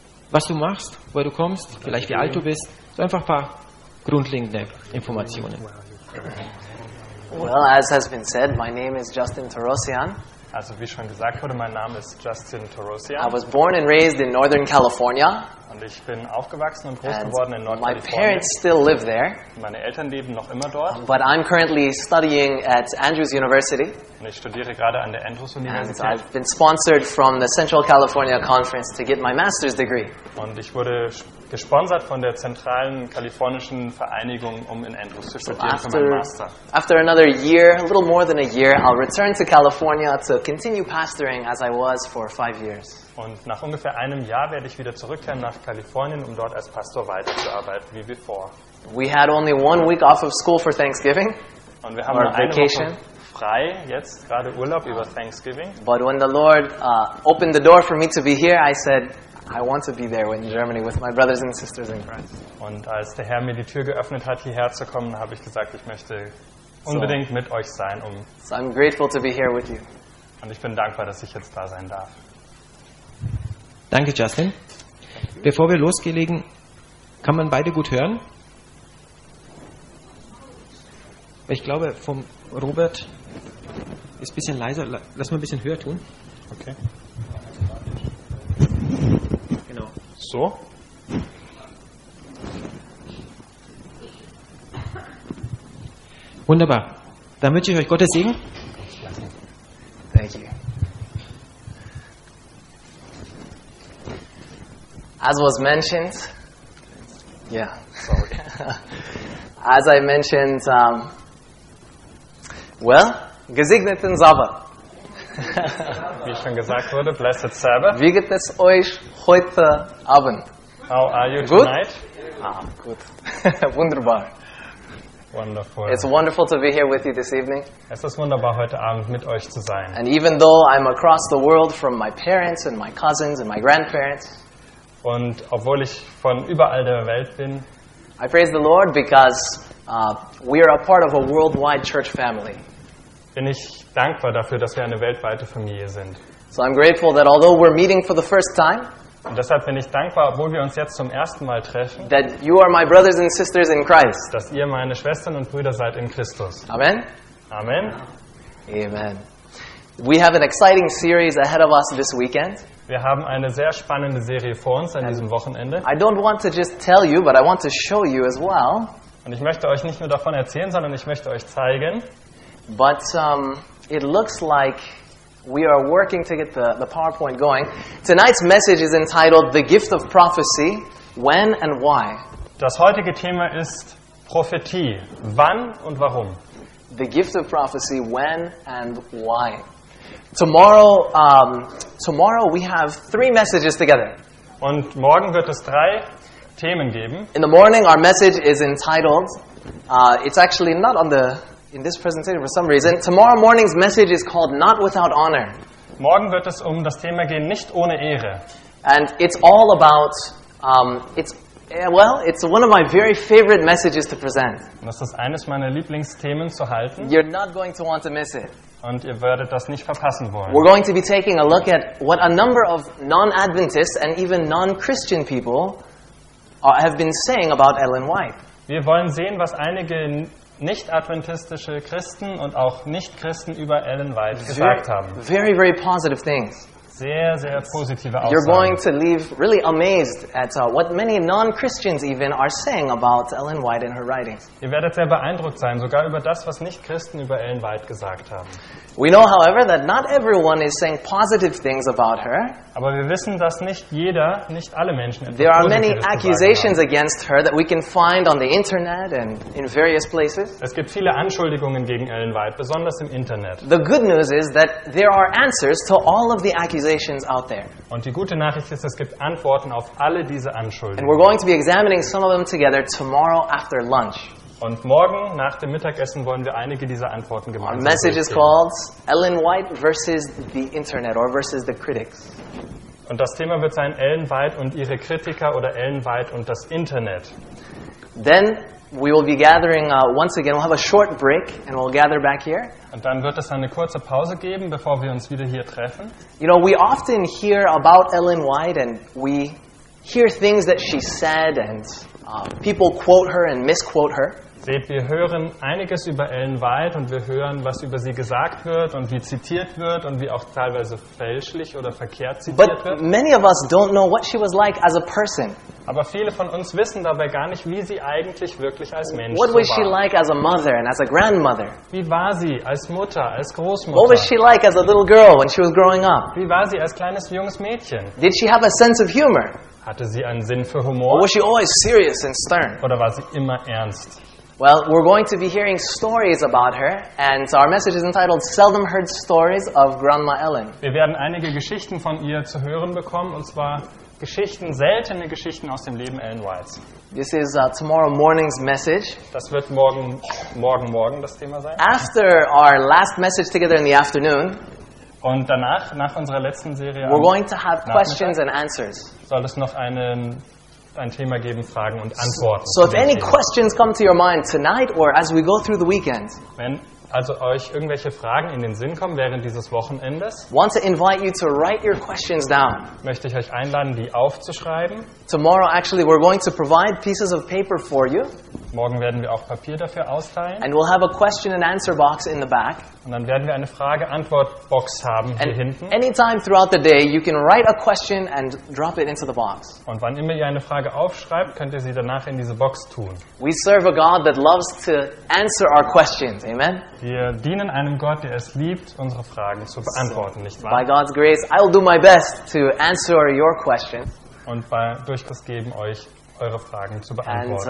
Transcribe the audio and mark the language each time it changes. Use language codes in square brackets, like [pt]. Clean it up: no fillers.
[de] was du machst, woher du kommst, vielleicht wie alt du bist, so einfach ein paar grundlegende Informationen. [en] Well, as has been said, my name is Justin Tarosian. [de] Also wie schon gesagt wurde, mein Name ist Justin Tarosian. [en] I was born and raised in Northern California. [de] Und ich bin aufgewachsen und groß geworden in Nordkalifornien. [en] My parents still live there. [de] Meine Eltern leben noch immer dort. [en] But I'm currently studying at Andrews University. [de] Und ich studiere gerade an der Andrews Universität. [en] And I've been sponsored from the Central California Conference to get my master's degree. [de] Und ich wurde gesponsert von der zentralen kalifornischen Vereinigung, um in Andrews zu studieren für meinen Master. [en] After another year, a little more than a year, I'll return to California to continue pastoring as I was for 5 years. [de] Und nach ungefähr einem Jahr werde ich wieder zurückkehren nach Kalifornien, um dort als Pastor weiterzuarbeiten wie bevor. [en] We had only 1 week off of school for Thanksgiving. [de] Und wir haben nur eine Woche frei jetzt gerade Urlaub über Thanksgiving. [en] But when the Lord opened the door for me to be here, I said, I want to be there in Germany with my brothers and sisters in Christ. [de] Und als der Herr mir die Tür geöffnet hat, hierher zu kommen, habe ich gesagt, ich möchte unbedingt mit euch sein. [en] So I'm grateful to be here with you. [de] Und ich bin dankbar, dass ich jetzt da sein darf. Danke, Justin. Bevor wir loslegen, kann man beide gut hören? Ich glaube, vom Robert ist ein bisschen leiser. Lass mal ein bisschen höher tun. Okay. Genau. So? Wunderbar. Dann wünsche ich euch Gottes Segen. [en] Thank you. As was mentioned, as I mentioned, well, [de] gesegneten Sabbat. Wie schon gesagt wurde, [en] blessed Sabbath. [de] Wie geht es euch heute Abend? [en] How are you tonight? Good? Ah, good. Wunderbar. Wonderful. It's wonderful to be here with you this evening. [de] Es ist wunderbar, heute Abend mit euch zu sein. [en] And even though I'm across the world from my parents and my cousins and my grandparents, [de] und obwohl ich von überall der Welt bin, [en] I praise the Lord because we are a part of a worldwide church family. [de] Bin ich dankbar dafür, dass wir eine weltweite Familie sind. [en] So I'm grateful that although we're meeting for the first time, [de] und deshalb bin ich dankbar, obwohl wir uns jetzt zum ersten Mal treffen, [en] that you are my brothers and sisters in Christ. [de] Dass ihr meine Schwestern und Brüder seid in Christus. Amen. Amen. Amen. [en] We have an exciting series ahead of us this weekend. [de] Wir haben eine sehr spannende Serie vor uns an diesem Wochenende. [en] I don't want to just tell you, but I want to show you as well. [de] Und ich möchte euch nicht nur davon erzählen, sondern ich möchte euch zeigen. [en] But it looks like we are working to get the PowerPoint going. Tonight's message is entitled The Gift of Prophecy, When and Why. [de] Das heutige Thema ist Prophetie, wann und warum. [en] The Gift of Prophecy, When and Why. Tomorrow we have 3 messages together. [de] Und morgen wird es 3 Themen geben. [en] In the morning our message is entitled it's actually not in this presentation for some reason. Tomorrow morning's message is called Not Without Honor. [de] Morgen wird es um das Thema gehen, nicht ohne Ehre. [en] And it's all about it's one of my very favorite messages to present. [de] Das ist eines meiner Lieblingsthemen zu halten. [en] You're not going to want to miss it. [de] Und ihr werdet das nicht verpassen wollen. [en] We're going to be taking a look at what a number of non-Adventists and even non-Christian people have been saying about Ellen White. [de] Wir wollen sehen, was einige nicht-adventistische Christen und auch Nicht-Christen über Ellen White gesagt haben. [en] Very, very positive things. [de] Sehr, sehr positive Aussagen. [en] You're going to leave really amazed at what many non-Christians even are saying about Ellen White in her writings. [de] Ihr werdet sehr beeindruckt sein, sogar über das, was Nicht-Christen über Ellen White gesagt haben. [en] We know, however, that not everyone is saying positive things about her. [de] Aber wir wissen, dass nicht jeder, nicht alle Menschen etwas [en] There are many accusations against her that we can find on the internet and in various places. [de] Es gibt viele Anschuldigungen gegen Ellen White, besonders im Internet. [en] The good news is that there are answers to all of the accusations out there. [de] Und die gute Nachricht ist, es gibt Antworten auf alle diese Anschuldigungen. [en] And we're going to be examining some of them together tomorrow after lunch. [de] Und morgen nach dem Mittagessen wollen wir einige dieser Antworten gemeinsam sehen. [en] Our message is called Ellen White versus the Internet or versus the critics. [de] Und das Thema wird sein Ellen White und ihre Kritiker oder Ellen White und das Internet. [en] Then we will be gathering once again. We'll have a short break and we'll gather back here. [de] Und dann wird es eine kurze Pause geben, bevor wir uns wieder hier treffen. [en] You know, we often hear about Ellen White and we hear things that she said, and people quote her and misquote her. [de] Wir hören einiges über Ellen White und wir hören, was über sie gesagt wird und wie zitiert wird und wie auch teilweise fälschlich oder verkehrt zitiert [en] But [de] wird. [en] Many of us don't know what she was like as a person. [de] Aber viele von uns wissen dabei gar nicht, wie sie eigentlich wirklich als Mensch [en] what so was [de] war. [en] She like as a mother and as a grandmother? [de] Wie war sie als Mutter, als Großmutter? [en] What was she like as a little girl when she was growing up? [de] Wie war sie als kleines junges Mädchen? [en] Did she have a sense of humor? [de] Hatte sie einen Sinn für Humor? [en] Or was she always serious and stern? [de] Oder war sie immer ernst? [en] Well, we're going to be hearing stories about her, and so our message is entitled Seldom Heard Stories of Grandma Ellen. [de] Wir werden einige Geschichten von ihr zu hören bekommen, und zwar Geschichten, seltene Geschichten aus dem Leben Ellen Whites. [en] This is tomorrow morning's message. [de] Das wird morgen das Thema sein. [en] After our last message together in the afternoon, [de] und danach, nach unserer letzten Serie, [en] we're going to have questions and answers. [de] Soll es noch ein Thema geben, Fragen und Antworten. [en] So if any questions come to your mind tonight or as we go through the weekend. [de] Wenn also euch irgendwelche Fragen in den Sinn kommen während dieses Wochenendes. [en] Want to invite you to write your questions down. [de] Möchte ich euch einladen, die aufzuschreiben. [en] Tomorrow actually we're going to provide pieces of paper for you. [de] Morgen werden wir auch Papier dafür austeilen. [en] And we'll have a question and answer box in the back. [de] Und dann werden wir eine Frage-Antwort-Box haben hier [en] and [de] hinten. [en] Anytime throughout the day you can write a question and drop it into the box. [de] Und wann immer ihr eine Frage aufschreibt, könnt ihr sie danach in diese Box tun. [en] We serve a God that loves to answer our questions. Amen. [de] Wir dienen einem Gott, der es liebt, unsere Fragen zu beantworten, nicht wahr? [en] By God's grace, I will do my best to answer your question. [de] Und bei durch das geben euch eure Fragen zu beantworten.